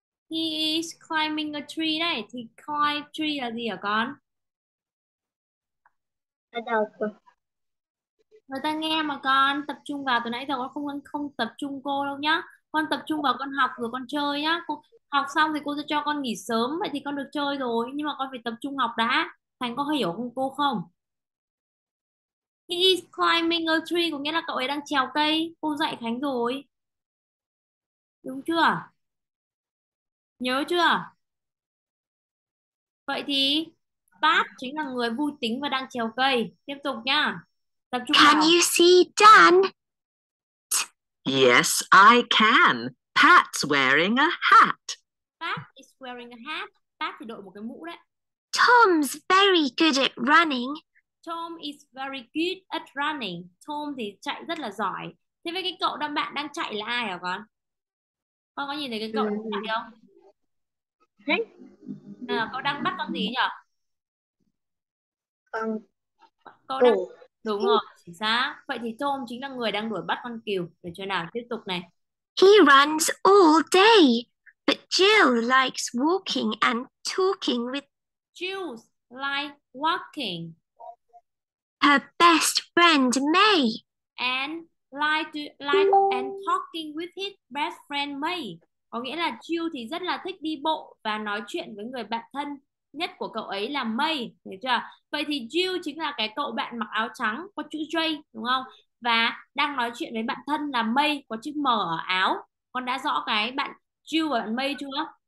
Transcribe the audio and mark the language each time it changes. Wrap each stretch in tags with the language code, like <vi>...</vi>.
<en>He is climbing a tree</en> <vi>đấy. Thì climb tree là gì hả con? Ở đâu cơ? Người ta nghe mà con. Tập trung vào. Từ nãy giờ con không tập trung cô đâu nhá. Con tập trung vào con học rồi con chơi nhá. Cô học xong thì cô sẽ cho con nghỉ sớm. Vậy thì con được chơi rồi. Nhưng mà con phải tập trung học đã. Thành có hiểu không cô không?</vi> <en>He is climbing a tree</en> <vi>có nghĩa là cậu ấy đang trèo cây. Cô dạy Khánh rồi. Đúng chưa? Nhớ chưa? Vậy thì Pat chính là người vui tính và đang trèo cây. Tiếp tục nhá. Tập trung</vi> <en>can</en> <vi>nào.</vi> <en>You see Dan? Yes, I can. Pat's wearing a hat. Pat is wearing a hat.</en> <vi>Pat thì đội một cái mũ đấy.</vi> <en>Tom's very good at running. Tom is very good at running.</en> <vi>Tom thì chạy rất là giỏi. Thế với cái cậu đang bạn đang chạy là ai hả con? Con có nhìn thấy cái cậu chạy không? À, cậu đang bắt con gì nhỉ? Con cậu đang... Đúng rồi, chính xác. Vậy thì Tom chính là người đang đuổi bắt con cừu. Để cho nào, tiếp tục này.</vi> <en>He runs all day, but Jill likes walking and talking with... Jill likes walking. Her best friend, May. And like and talking with his best friend, May.</en> <vi>Có nghĩa là Jill thì rất là thích đi bộ và nói chuyện với người bạn thân nhất của cậu ấy là May, hiểu chưa? Vậy thì Jill chính là cái cậu bạn mặc áo trắng có chữ J đúng không? Và đang nói chuyện với bạn thân là May có chữ M ở áo. Con đã rõ cái bạn Jill và bạn May chưa?</vi>